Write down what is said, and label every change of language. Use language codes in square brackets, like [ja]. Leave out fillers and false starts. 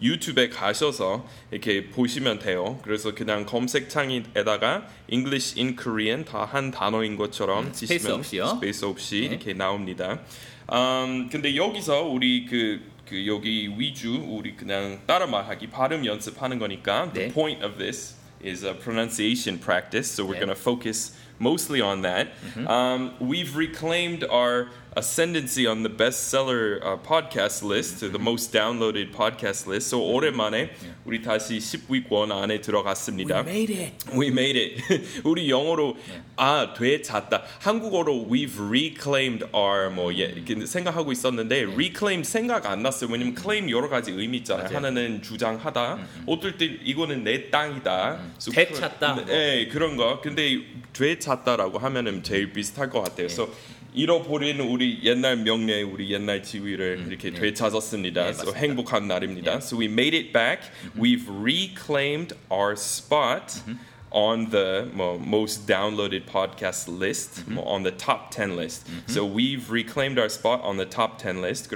[ko] 유튜브에 가셔서 이렇게 보시면 돼요. 그래서 그냥 검색창에다가 English in Korean 다 한 단어인 것처럼 치시면 스페이스 없이요. 스페이스 없이 네. 이렇게 나옵니다. 근데 여기서 우리 그 여기 위주 우리 그냥 따라 말하기 발음 연습하는 거니까 네. [en] The point of this is a pronunciation practice, so we're going to focus mostly on that. We've reclaimed our ascendancy on the bestseller podcast list, the most downloaded podcast list. [ko] So 오랜만에 우리 다시 10위권 안에 들어갔습니다. [en] We made it. We made it. [ko] 우리 영어로 되찾다. 한국어로 [en] we've reclaimed our [ko] 뭐 생각하고 있었는데 reclaim 생각 안 났어요. 왜냐면 claim 여러 가지 의미 있잖아요. 맞아요. 하나는 주장하다. 어떨 때 이거는 내 땅이다. 되찾다. 네, 그런 거. 근데 되찾다라고 하면은 제일 비슷할 것 같아요. 그래서 잃어버린 우리 옛날 명예, 우리 옛날 지위를 이렇게 되찾았습니다. 네, so 행복한 날입니다. 네. [en] So we made it back. We've reclaimed our spot on the most downloaded podcast list, on the top 10 list. So we've reclaimed our spot on the top 10 list.